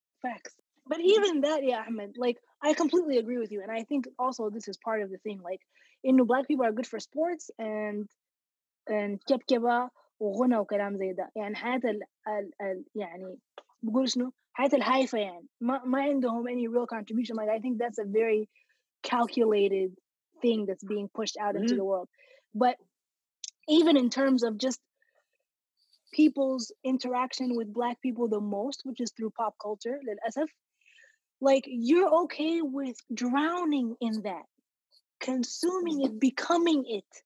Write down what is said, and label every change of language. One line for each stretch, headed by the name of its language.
English: But even that, yeah, Ahmed, like, I completely agree with you. And I think also this is part of the thing. Like, you know, Black people are good for sports and kebkeba.
Arabic: وغنى وكلام زي ده يعني حياة ال يعني بقول شنو حياة الهايفة يعني ما عندهم
English: any real contribution. Like, I think that's a very calculated thing that's being pushed out into the world. But even in terms of just people's interaction with Black people the most, which is through pop culture,
Arabic: للأسف,
English: like, you're okay with drowning in that, consuming it, becoming it.